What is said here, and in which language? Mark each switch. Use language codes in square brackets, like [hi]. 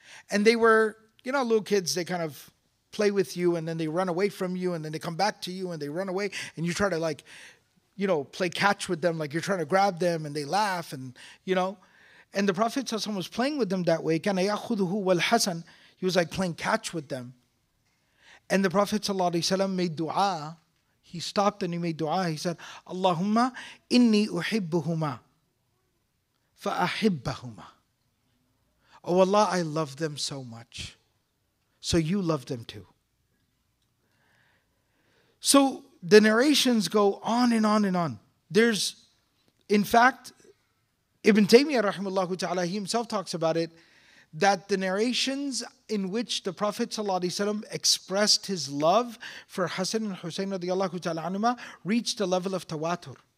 [en] And they were, you know, little kids, they kind of play with you and then they run away from you and then they come back to you and they run away and you try to like, you know, play catch with them, like you're trying to grab them and they laugh and, you know. And the Prophet ﷺ was playing with them that way. [ar] كَانَ يَأْخُذُهُ وَالْحَسَنُ [en] He was like playing catch with them. And the Prophet ﷺ made dua. He stopped and he made dua. He said, [ar] اللَّهُمَّ إِنِّي أُحِبُّهُمَا فَأَحِبَّهُمَا. [en] Oh Allah, I love them so much. So you love them too. So the narrations go on and on and on. There's, in fact, Ibn Taymiyyah rahimahullah ta'ala, he himself talks about it, that the narrations in which the Prophet ﷺ expressed his love for Hassan and Hussein radiallahu ta'ala anhuma reached a level of tawatur.